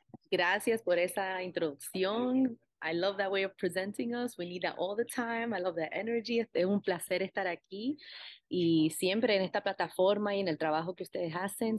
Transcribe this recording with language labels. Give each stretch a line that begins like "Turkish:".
Spanish: Gracias por esa introducción.
English: I love that way of presenting us. We need that all the time. I love that energy.
Spanish: Es un placer estar aquí y siempre en esta plataforma y en el trabajo que ustedes hacen.